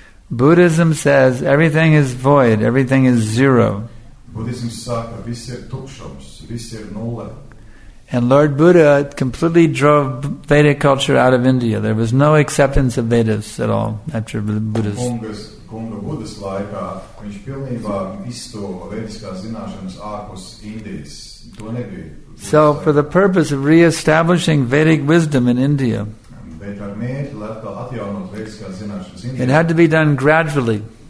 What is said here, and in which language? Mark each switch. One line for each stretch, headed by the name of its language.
English: Buddhism says everything is void, everything is zero.
Latvian: Buddhism saka, viss ir tukšums, viss ir nulle.
English: And Lord Buddha completely drove Vedic culture out of India. There was no acceptance of Vedas at all after Buddha's.
Latvian: Kunga Buddhas laikā viņš pilnībā izstūva vediskās zināšanas ārpus Indijas. To nebija.
English: So for the purpose of re-establishing Vedic wisdom in India, it had to be done gradually.